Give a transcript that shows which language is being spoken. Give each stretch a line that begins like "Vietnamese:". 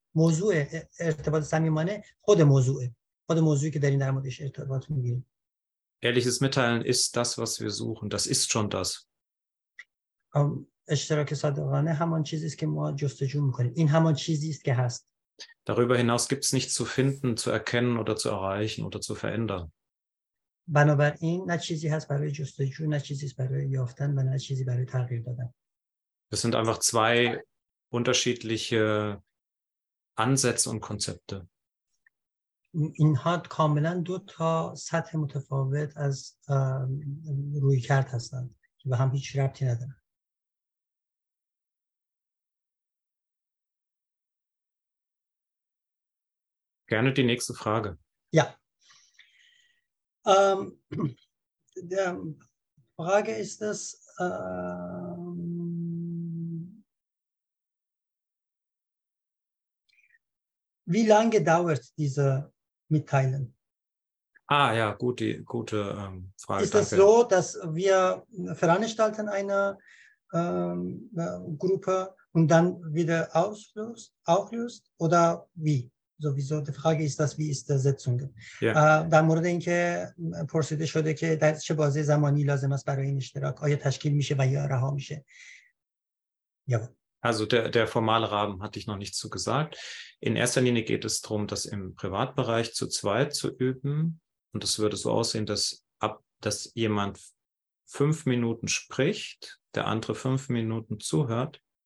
Persian: موضوع ارتباط صمیمانه خود موضوعه، خود موضوعی که داریم در موردش ارتباط میگیریم.
German: Ehrliches Mitteilen ist das, was wir suchen. Das ist schon das.
Persian: اشتراک صادقانه همان چیزی است که ما جستجو میکنیم. این همان چیزی است که هست.
German: Darüber hinaus gibt es nichts zu finden, zu erkennen oder zu erreichen oder zu verändern.
Persian: بنابراین نه چیزی هست برای جستجو، نه چیزی است برای یافتن و نه چیزی برای تغییر دادن.
German: Es sind einfach zwei unterschiedliche Ansätze und Konzepte.
Persian: اینها کاملا دو تا سطح متفاوت از رویکرد هستند که به هم هیچ ربطی ندارن.
German: Gerne die nächste Frage. Ja. Die Frage ist das. Wie lange dauert diese Mitteilen? Ah ja, gut, die gute Frage. Ist das so, dass wir veranstalten eine Gruppe und dann wieder auflöst oder wie? Sowieso die Frage ist das, wie ist die Setzung?
Persian: در مورد اینکه پرسیده شده که در چه بازه زمانی لازم است برای این اشتراک، آیا تشکیل میشه و یا رها میشه؟
German: Also der formale Rahmen hatte ich noch nicht so gesagt. In erster Linie geht es darum, das im Privatbereich zu zweit zu üben. Und es würde so aussehen, dass jemand 5 Minuten spricht, der andere 5 Minuten zuhört.